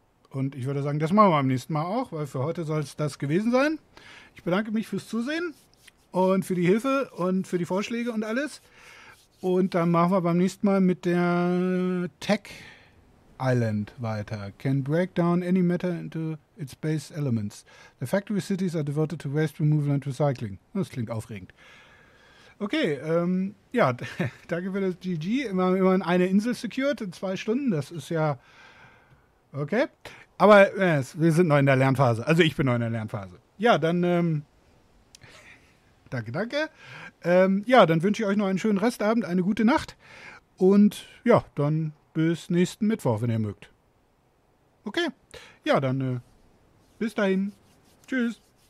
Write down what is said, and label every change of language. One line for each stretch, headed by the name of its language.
German: Und ich würde sagen, das machen wir beim nächsten Mal auch, weil für heute soll es das gewesen sein. Ich bedanke mich fürs Zusehen und für die Hilfe und für die Vorschläge und alles. Und dann machen wir beim nächsten Mal mit der Tech Island weiter.
English: Can break down any matter into its base elements. The factory cities are devoted to waste removal and recycling.
German: Das klingt aufregend. Okay, ja, danke für das GG. Wir haben immer eine Insel secured in 2 Stunden. Das ist ja okay. Aber wir sind noch in der Lernphase. Also ich bin noch in der Lernphase. Ja, dann danke, danke. Ja, dann wünsche ich euch noch einen schönen Restabend, eine gute Nacht und ja, dann bis nächsten Mittwoch, wenn ihr mögt. Okay, ja, dann bis dahin. Tschüss.